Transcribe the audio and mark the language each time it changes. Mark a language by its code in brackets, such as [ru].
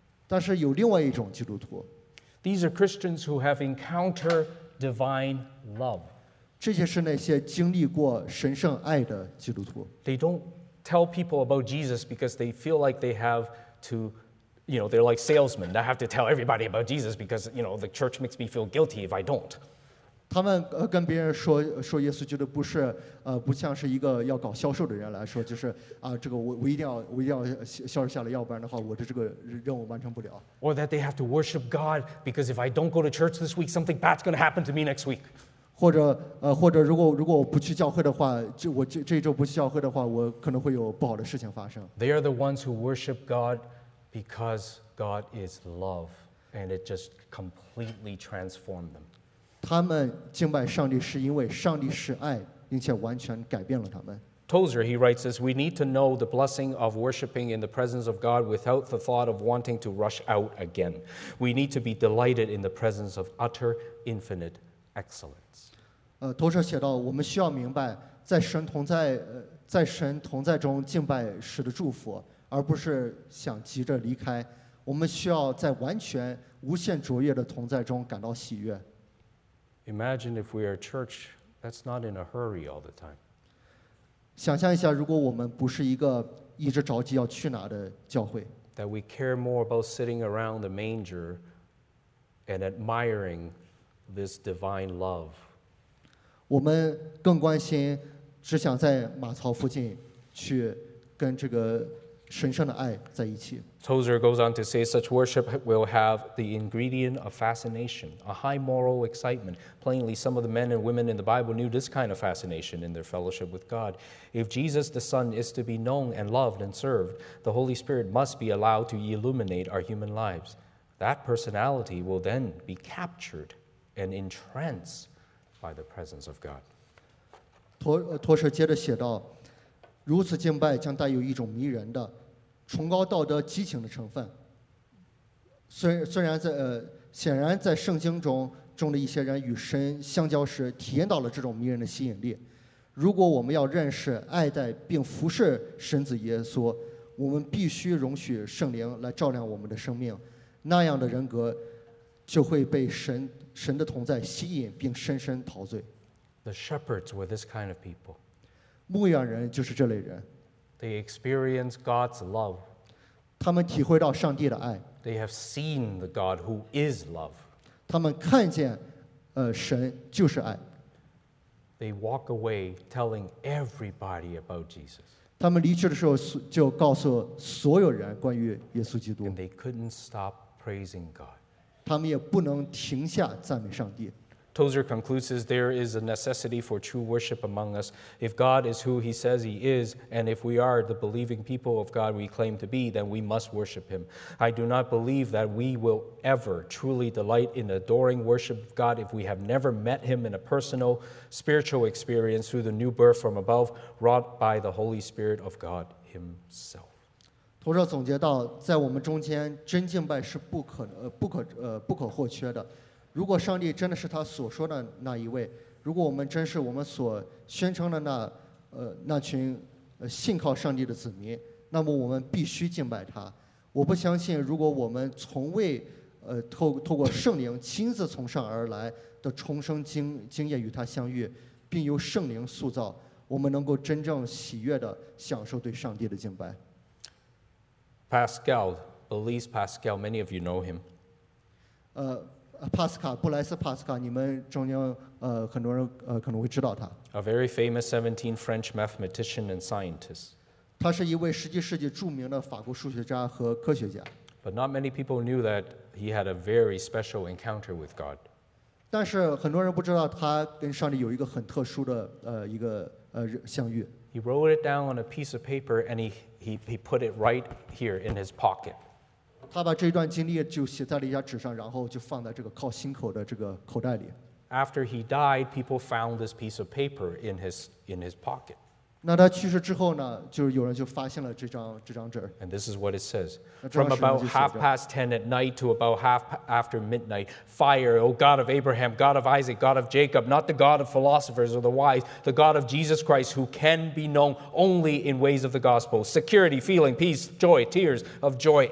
[zh] 但是有另外一种基督徒。 [en] These are Christians who have encountered divine love. [zh] 这些是那些经历过神圣爱的基督徒。 [en] They don't tell people about Jesus because they feel like they have to... You know, they're like salesmen. I have to tell everybody about Jesus because, you know, the church makes me feel guilty if I don't. [zh] 他们跟别人说耶稣基督不是不像是一个要搞销售的人来说，就是这个我一定要销售下来，要不然的话，我的这个任务完成不了。 [en] Or that they have to worship God because if I don't go to church this week, something bad's going to happen to me next week. [zh] 或者如果我不去教会的话，我这一周不去教会的话，我可能会有不好的事情发生。 [en] They are the ones who worship God. Because God is love, and it just completely transformed them. [zh] 他们敬拜上帝是因为上帝是爱，并且完全改变了他们。 [en] Tozer, he writes this, we need to know the blessing of worshiping in the presence of God without the thought of wanting to rush out again. We need to be delighted in the presence of utter, infinite excellence. [zh] Tozer 写道，我们需要明白，在神同在中敬拜时的祝福。而不是想急着离开，我们需要在完全无限卓越的同在中感到喜悦。 [en] Imagine if we are church that's not in a hurry all the time. [zh] 想象一下，如果我们不是一个一直着急要去哪的教会。 [en] That we care more about sitting around the manger and admiring this divine love. [zh] 我们更关心，只想在马槽附近去跟这个。神圣的爱在一起。 [en] Tozer goes on to say, such worship will have the ingredient of fascination, a high moral excitement. Plainly, some of the men and women in the Bible knew this kind of fascination in their fellowship with God. If Jesus the Son is to be known and loved and served, the Holy Spirit must be allowed to illuminate our human lives. That personality will then be captured and entranced by the presence of God. [zh] Tozer 接着写道。如此敬拜将带有一种迷人的崇高道德激情的成分虽然在圣经中的一些人与神相交时体验到了这种迷人的吸引力，如果我们要认识爱戴并服侍神子耶稣，我们必须容许圣灵来照亮我们的生命，那样的人格就会被神的同在吸引并深深陶醉。 [en] The shepherds were this kind of people. [zh] 牧羊人就是这类人。 [en] They experience God's love. [zh] 他们体会到上帝的爱。 [en] They have seen the God who is love. [zh] 他们看见神就是爱。 [en] They walk away telling everybody about Jesus. [zh] 他们离去的时候就告诉所有人关于耶稣基督。 [en] And they couldn't stop praising God. [zh] 他们也不能停下赞美上帝。 [en] Tozer concludes, there is a necessity for true worship among us. If God is who he says he is, and if we are the believing people of God we claim to be, then we must worship him. I do not believe that we will ever truly delight in adoring worship of God if we have never met him in a personal spiritual experience through the new birth from above wrought by the Holy Spirit of God himself. [zh] 同时总结到，在我们中间，真敬拜是不可或缺的。如果上帝真的是他所说的那一位，如果我们真是我们所宣称的那群信靠上帝的子民，那么我们必须敬拜他。我不相信，如果我们从未透过圣灵亲自从上而来的重生经验与他相遇，并由圣灵塑造，我们能够真正喜悦的享受对上帝的敬拜。 [en] Pascal, Blaise Pascal, many of you know him. [zh] Pascal, 布莱斯·帕斯卡，你们中间很多人可能会知道他。 [en] A very famous 17th French mathematician and scientist. [zh] 他是一位17世纪著名的法国数学家和科学家。 [en] But not many people knew that he had a very special encounter with God. [zh] 但是很多人不知道他跟上帝有一个很特殊的相遇。 [en] He wrote it down on a piece of paper and he put it right here in his pocket. [zh] 他把这段经历就写在了一张纸上，然后就放在这个靠心口的这个口袋里。 [en] After he died, people found this piece of paper in his pocket. [zh] 那他去世之后呢，就有人就发现了这张纸。 [en] And this is what it says. From about half past 10 at night to about half after midnight, fire, O God of Abraham, God of Isaac, God of Jacob, not the God of philosophers or the wise, the God of Jesus Christ, who can be known only in ways of the gospel. Security, feeling, peace, joy, tears of joy.